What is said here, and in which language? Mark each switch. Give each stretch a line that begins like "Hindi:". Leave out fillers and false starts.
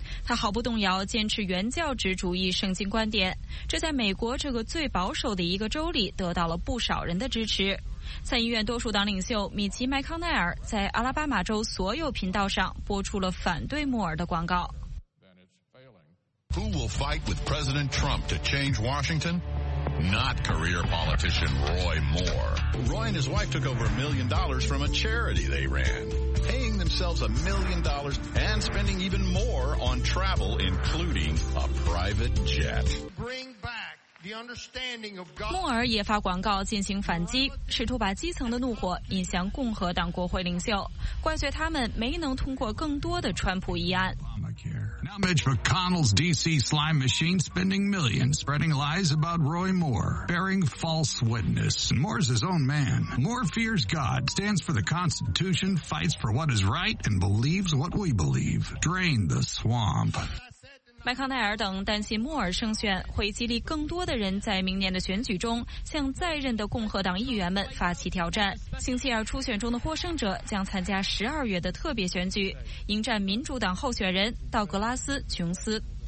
Chinese: 他毫不动摇坚持原教旨主义圣经观点，这在美国这个最保守的一个州里得到了不少人的支持。参议院多数党领袖米奇·麦康奈尔在阿拉巴马州所有频道上播出了反对莫尔的广告。
English: Who will fight with President Trump to change Washington? Not career politician Roy Moore. Roy and his wife took over $1 million from a charity they ran, paying themselves $1 million and spending even more on travel, including a private jet. Bring back the understanding of God.
Chinese: 莫尔也发广告进行反击，试图把基层的怒火引向共和党国会领袖，怪罪他们没能通过更多的川普议案。
English: Now Mitch McConnell's D.C. slime machine spending millions, spreading lies about Roy Moore, bearing false witness. Moore's his own man. Moore fears God, stands for the Constitution, fights for what is right, and believes what we believe. Drain the swamp.
Chinese: 麦康奈尔等担心莫尔胜选会激励更多的人在明年的选举中向在任的共和党议员们发起挑战。星期二初选中的获胜者将参加12月的特别选举，迎战民主党候选人道格拉斯·琼斯。